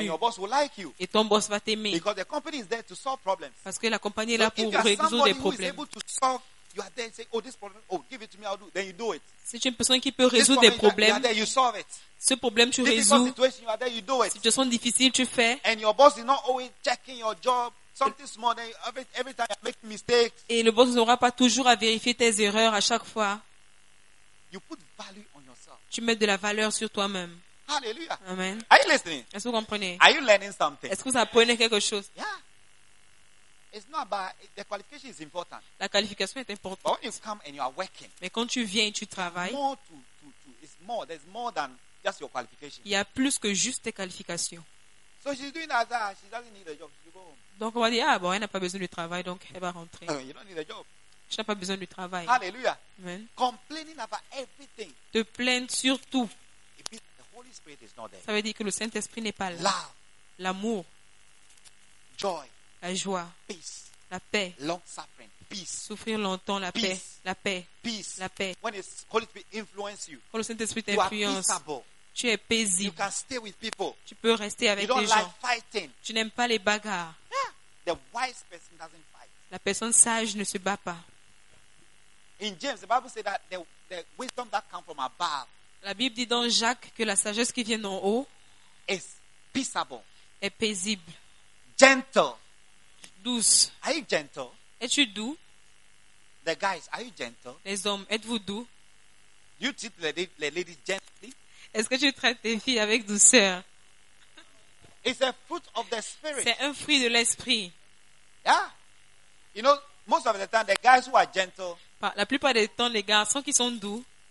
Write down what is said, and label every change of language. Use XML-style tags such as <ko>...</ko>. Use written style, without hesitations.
<en>And your boss will like you.</en> <fr>Et ton boss va t'aimer.</fr> <en>Because the company is there to solve problems.</en> <fr>Parce que la compagnie est là pour résoudre des problèmes.</fr> <en>If you are somebody who is able to solve, you are there and say, oh, this problem, oh, give it to me, I'll do it. Then you do it.</en> <fr>Si tu es une personne qui peut résoudre des problèmes,</fr> <en>you are there, you solve it.</en> <fr>Ce problème tu résous.</fr> <en>Situation, you are there, you do it.</en> <fr>Situation difficile, tu fais.</fr> <en>And your boss is not always checking your job. Something small, then every time you make mistakes.</en> <fr>Et le boss n'aura pas toujours à vérifier tes erreurs à chaque fois.</fr> <en>You put value on yourself.</en> <fr>Tu mets de la valeur sur toi-même. Hallelujah. Amen.</fr> <en>Are you listening?</en> <fr>Est-ce que vous comprenez?</fr> <en>Are you learning something?</en> <fr>Est-ce que vous apprenez quelque chose? Yeah.</fr> <en>It's not about the qualification is important.</en> <fr>La qualification est importante.</fr> <en>But when you come and you are working.</en> <fr>Mais quand tu viens et tu travailles.</fr> <en>More to it's more. There's more than just your qualification.</en> <fr>Il y a plus que juste tes qualifications.</fr> <en>So she's doing that. She doesn't need a job. She go home.</en> <fr>Donc on va dire, ah bon, elle n'a pas besoin du travail, donc elle va rentrer.</fr> <en>You don't need a job.</en> <fr>Tu n'as pas besoin du travail. Alléluia. Amen.</fr> <en>Complaining about everything.</en> <fr>Te plaindre sur tout.</fr> <en>It means the Holy Spirit is not there.</en> <fr>Ça veut dire que le Saint-Esprit n'est pas là.</fr> <en>Love.</en> <fr>L'amour.</fr> <en>Joy.</en> <fr>La joie.</fr> <en>Peace.</en> <fr>La paix.</fr> <en>Long suffering. Peace.</en> <fr>Souffrir longtemps, la</fr> <en>peace.</en> <fr>Paix. La paix.</fr> <en>Peace.</en> <fr>La paix.</fr> <en>When the Holy Spirit influences you.</en> <fr>Quand le Saint-Esprit t'influence. Tu es paisible.</fr> <en>You can stay with people.</en> <fr>Tu peux rester avec</fr> <en>you don't</en> <fr>les</fr> <en>like</en> <fr>gens.</fr> <en>Fighting.</en> <fr>Tu n'aimes pas les bagarres.</fr> <en>The wise person doesn't fight.</en> <fr>La personne sage ne se bat pas.</fr> <en>In James, the Bible says that the wisdom that comes from above.</en> <fr>La Bible dit dans Jacques que la sagesse qui vient d'en haut</fr> <en>is peaceable.</en> <fr>Est paisible.</fr> <en>Gentle.</en> <fr>Douce.</fr> <en>Are you gentle?</en> <fr>Es-tu doux?</fr> <en>The guys, are you gentle?</en> <fr>Les hommes, êtes-vous doux?</fr> <en>You treat the ladies gently.</en> <fr>Est-ce que tu traites tes filles avec douceur?</fr> <en>It's a fruit of the spirit.</en> <fr>C'est un fruit de l'esprit. Yeah.</fr> <en>You know, most of the time, the guys who are gentle.</en> <fr>La plupart des temps, les garçons qui sont doux.</fr>